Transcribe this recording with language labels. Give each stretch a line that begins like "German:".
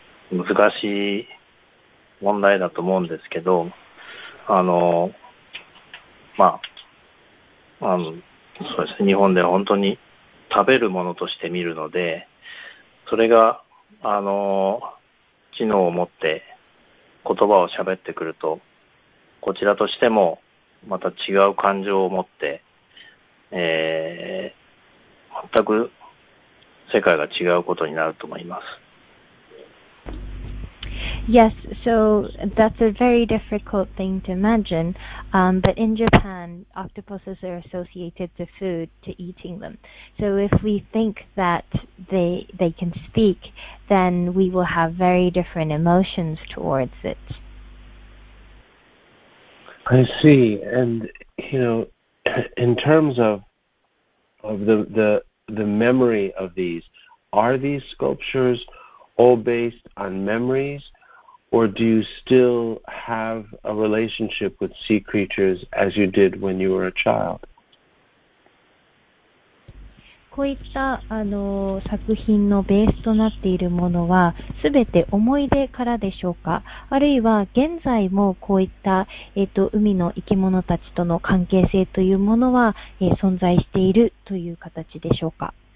Japanese: 難しい問題だと思うんですけど、まあ、そうですね、日本では本当に食べるものとして見るので、それが、知能を持って言葉を喋ってくると、こちらとしてもまた違う感情を持って、全く世界が違うことになると思います。
English: Yes, so that's a very difficult thing to imagine, but in Japan, octopuses are associated to food, to eating them. So if we think that they can speak, then we will have very different emotions towards it. I see, and, you know, In terms of the memory of these, are these sculptures all based on memories, or do you still have a relationship with sea creatures as you did when you were a child?
Japanese: こういったあの作品のベースとなっているものは、すべて思い出からでしょうか？あるいは現在もこういった、海の生き物たちとの関係性というものは、存在しているという形でしょうか？